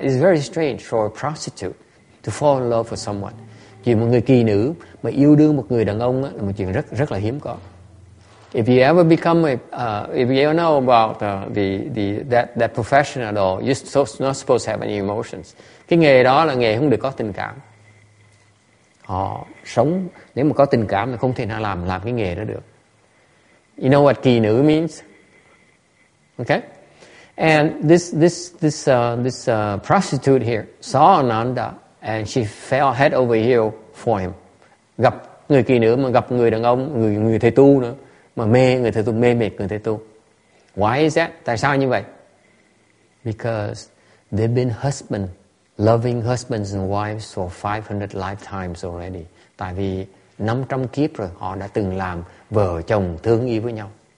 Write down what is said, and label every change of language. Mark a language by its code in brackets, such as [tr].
[en] It's very strange for a prostitute to fall in love with someone. [vi] Chuyện một người kỳ nữ mà yêu đương một người đàn ông á là một chuyện rất rất là hiếm có. [en] If you ever become if you know about that profession at all, you're not supposed to have any emotions. [vi] Cái nghề đó là nghề không được có tình cảm. Họ sống nếu mà có tình cảm thì không thể nào làm cái nghề đó được. [en] You know what kỳ nữ means? Okay? And this prostitute here saw Ananda and she fell head over heel for him. [vi] Gặp người kỳ nữ mà gặp người đàn ông, người thầy tu nữa mà mê người thầy tu, mê mệt người thầy tu. [en] Why is that? [vi] Tại sao như vậy? [en] Because they've been husband, loving husbands and wives for 500 lifetimes already. [vi] Tại vì 500 kiếp rồi họ đã từng làm vợ chồng thương yêu với nhau.